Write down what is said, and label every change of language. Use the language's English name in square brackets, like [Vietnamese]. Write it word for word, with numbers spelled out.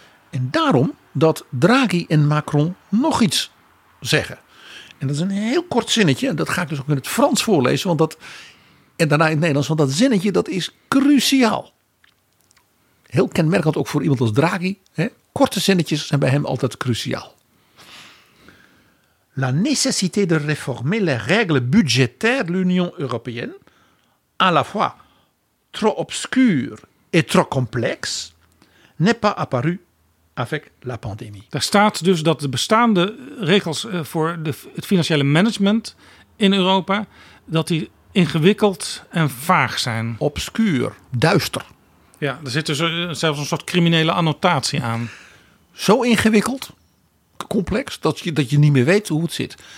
[Dutch] En daarom dat Draghi en Macron nog iets zeggen. En dat is een heel kort zinnetje. En dat ga ik dus ook in het Frans voorlezen. Want dat, en daarna in het Nederlands. Want dat zinnetje dat is cruciaal. Heel kenmerkend ook voor iemand als Draghi. Hè? Korte zinnetjes zijn bij hem altijd cruciaal. [French] La nécessité de réformer les règles budgétaires de l'Union européenne, à la fois trop obscures et trop complexes, n'est pas apparue avec la pandémie. [Dutch] Daar staat dus dat de bestaande regels voor de, het financiële management in Europa, dat die ingewikkeld en vaag zijn. Obscuur, duister. Ja, er zit dus zelfs een soort criminele annotatie aan. Zo ingewikkeld, complex, dat je, dat je niet meer weet hoe het zit.